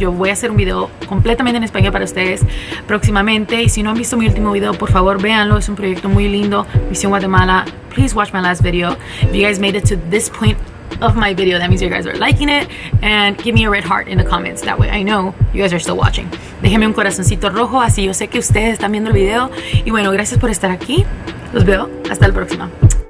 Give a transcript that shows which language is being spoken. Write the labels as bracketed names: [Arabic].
[Spanish] Yo voy a hacer un video completamente en español para ustedes próximamente. Y si no han visto mi último video, por favor, véanlo. Es un proyecto muy lindo. Mision Guatemala. [English] Please watch my last video. If you guys made it to this point of my video, that means you guys are liking it. And give me a red heart in the comments. That way I know you guys are still watching. [Spanish] Déjenme un corazoncito rojo, así yo sé que ustedes están viendo el video. Y bueno, gracias por estar aquí. Los veo. Hasta la próxima.